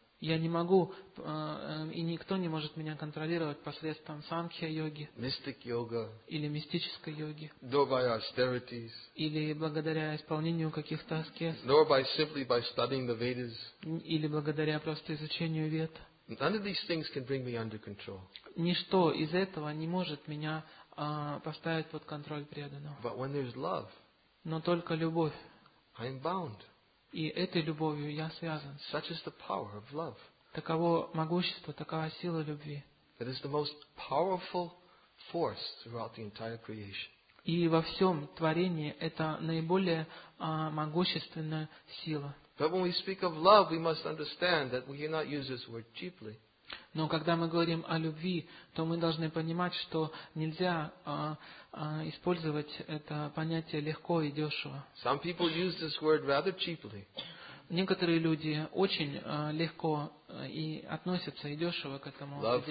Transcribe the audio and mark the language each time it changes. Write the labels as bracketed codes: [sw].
[ru] Я не могу, и никто не может меня контролировать посредством Санкхья-йоги, мистик-йога, или мистической йоги, [en] nor by austerities, [ru] или благодаря исполнению каких-то аскез, [en] nor by simply by studying the Vedas, [ru] или благодаря просто изучению Вед. [en] None of these things can bring me under control. [ru] Ничто из этого не может меня поставить под контроль преданного. [en] But when there's love, [ru] но только любовь, [en] I'm bound. [ru] И этой любовью я связан. [en] Such is the power of love. [ru] Таково могущество, такова сила любви. [en] It is the most powerful force throughout the entire creation. [ru] И во всем творении это наиболее могущественная сила. [en] But when we speak of love, we must understand that we cannot use this word cheaply. [ru] Но когда мы говорим о любви, то мы должны понимать, что нельзя использовать это понятие легко и дешево. [en] Some people use this word rather cheaply. [ru] Некоторые люди очень легко и относятся и дешево к этому